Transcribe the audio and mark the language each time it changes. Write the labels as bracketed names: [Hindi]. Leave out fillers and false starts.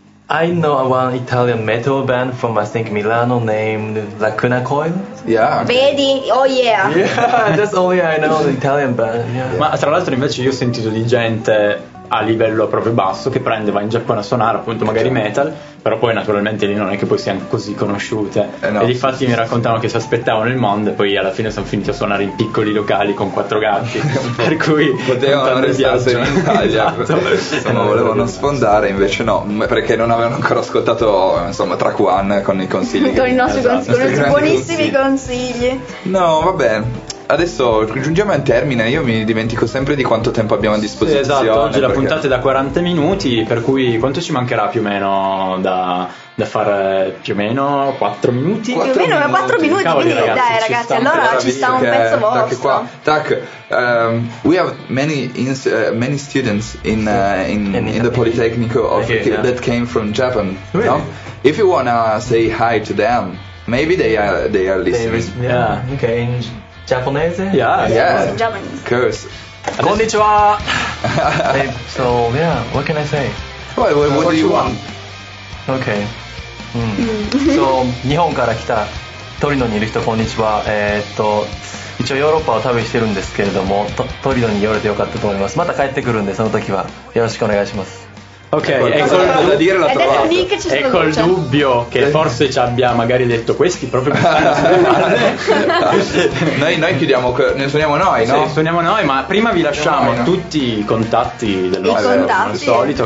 [English] I know one Italian metal band from I think Milano named Lacuna Coil. Yeah. [Italian] Vedi? [English] Oh yeah. Yeah, that's only I know the Italian band. Yeah. [Italian] Ma tra l'altro invece io ho sentito di gente a livello proprio basso che prende, va in Giappone a suonare appunto magari metal, però poi naturalmente lì non è che poi siano così conosciute. No. E difatti mi raccontavano che si aspettavano il mondo e poi alla fine sono finiti a suonare in piccoli locali con quattro gatti. Per cui potevano restare in Italia. Esatto. Insomma, volevano sfondare, invece no, perché non avevano ancora ascoltato, insomma, Track One con i consigli. Con i nostri buonissimi consigli. No, vabbè. Adesso giungiamo al termine, io mi dimentico sempre di quanto tempo abbiamo a disposizione. Sì, esatto, oggi la puntata è da 40 minuti, per cui quanto ci mancherà più o meno da fare più o meno 4 minuti? Più o meno 4 minuti, cavoli, quindi ragazzi, dai ragazzi, allora ci sta un pezzo vostro. Tac, qua. [English] Tac, we have many many students in the Politecnico of that came from Japan. Really? No? If you wanna say hi to them, maybe they are listening. Yeah, okay. Japanese? Yeah. Curse. [Japanese] Konnichiwa! [English] So, yeah, what can I say? What do you want? Okay. So, [Japanese] Nihon kara kita Torino ni iru hito konnichiwa. 一応ヨーロッパを旅してるんですけれども、トリノに寄れてよかったと思います。また帰ってくるんで、その時はよろしくお願いします。 [Italian] Ok, è col dubbio che forse ci abbia magari detto questi proprio per fare. noi chiudiamo, ne suoniamo noi, no? Sì, suoniamo noi, ma prima vi lasciamo tutti i contatti dell'Ovest, come al solito,